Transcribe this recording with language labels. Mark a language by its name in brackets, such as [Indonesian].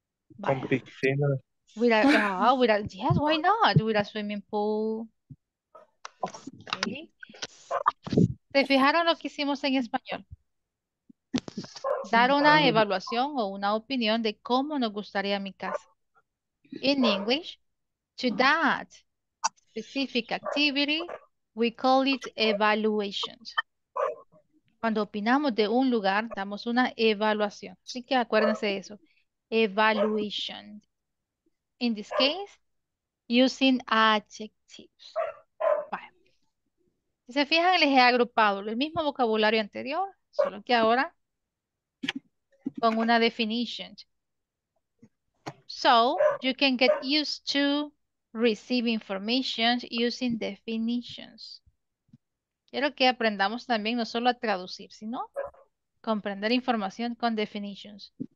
[Spanish] Vale. Con piscina. [English] Yes, why not? With a swimming pool. Okay. [Spanish] ¿Se fijaron lo que hicimos en español? Dar una evaluación o una opinión de cómo nos gustaría mi casa. [English] In English, to that specific activity, we call it evaluation. [Spanish] Cuando opinamos de un lugar, damos una evaluación. Así que acuérdense de eso. [English] Evaluation. In this case, using adjectives. [Spanish] Si se fijan, les he agrupado el mismo vocabulario anterior, solo que ahora con una definition. [English] So, you can get used to receive information using definitions. [Spanish] Quiero que aprendamos también no solo a traducir, sino comprender información con definitions.